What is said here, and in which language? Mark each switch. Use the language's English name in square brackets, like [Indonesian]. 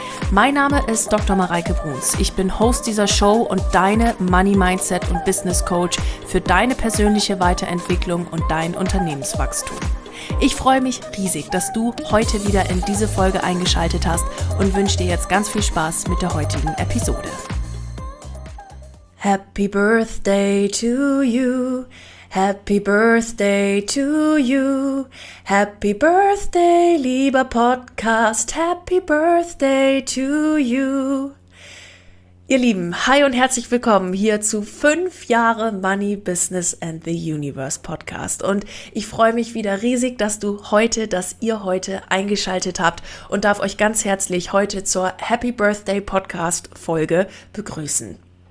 [German] Mein Name ist Dr. Mareike Bruns. Ich bin Host dieser Show und deine Money Mindset und Business Coach für deine persönliche Weiterentwicklung und dein Unternehmenswachstum. Ich freue mich riesig, dass du heute wieder in diese Folge eingeschaltet hast und wünsche dir jetzt ganz viel Spaß mit der heutigen Episode. [English] Happy Birthday to you, Happy Birthday to you, Happy Birthday, [German] lieber Podcast, [English] Happy Birthday to you. [German] Ihr Lieben, hi und herzlich willkommen hier zu 5 Jahre Money, Business and the Universe Podcast. Und ich freue mich wieder riesig, dass ihr heute eingeschaltet habt und darf euch ganz herzlich heute zur Happy Birthday Podcast Folge begrüßen.